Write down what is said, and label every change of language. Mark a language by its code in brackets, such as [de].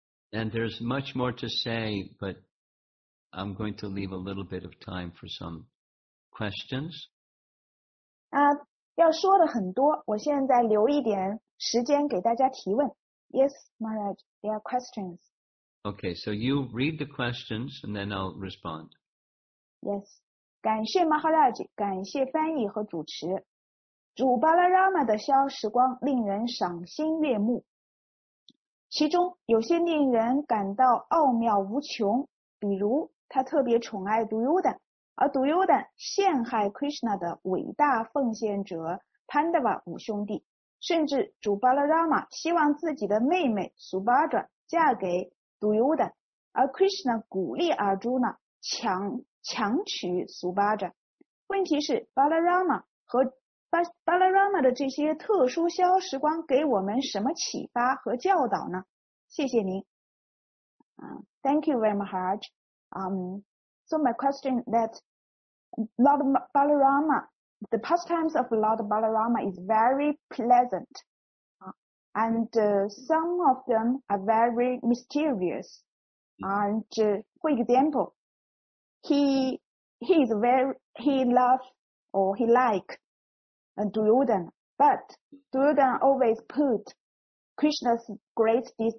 [en] And there's much more to say but I'm going to leave a little bit of time for some questions [zh] 要说的很多 我现在留一点时间给大家提问 [en] Yes, Maharaj, there are questions Okay, so you read the questions and then I'll respond [zh] Yes, 感谢 Maharaj 感谢翻译和主持 主巴拉拉玛的逍遥时光令人赏心悦目，其中有些令人感到奥妙无穷，比如他特别宠爱杜尤旦，而杜尤旦陷害Krishna的伟大奉献者潘德瓦五兄弟，甚至主巴拉拉玛希望自己的妹妹苏巴扎嫁给杜尤旦，而Krishna鼓励阿朱娜强娶苏巴扎。问题是巴拉拉玛和 巴拉拉玛的这些特殊逍遥时光给我们什么启发和教导呢？谢谢您。 [en] Thank you very much. So my question that Lord Balarama, the pastimes of Lord Balarama is very pleasant. And some of them are very mysterious. And for example, he loves or likes And Duryodhana, but Duryodhana always put Krishna's great